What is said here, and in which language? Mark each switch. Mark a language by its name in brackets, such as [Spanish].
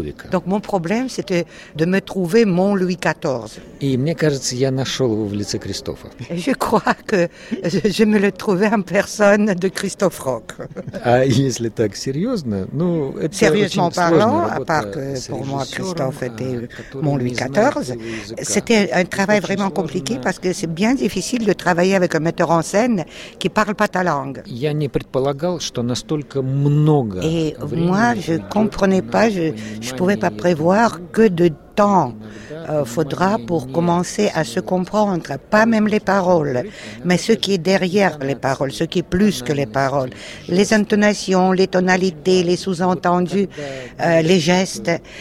[French] Donc mon problème, c'était de me trouver mon Louis XIV. [Russian] Et мне кажется, я нашел его в лице Кристофа. [French] Je crois que je me le trouvais en personne de Christophe Rock. [Russian] А если так серьезно, ну это [French] Sérieusement parlant, à part que pour moi Christophe était mon Louis XIV, c'était un travail vraiment compliqué parce que c'est bien difficile de travailler avec un metteur en scène qui parle pas ta langue. [Russian] Я не предполагал, что настолько много. [French] Et moi, je comprenais pas, je pouvais pas prévoir que de temps faudra pour commencer à se comprendre, pas même les paroles, mais ce qui est derrière les paroles, ce qui est plus que les paroles, les intonations, les tonalités, les sous-entendus, les gestes.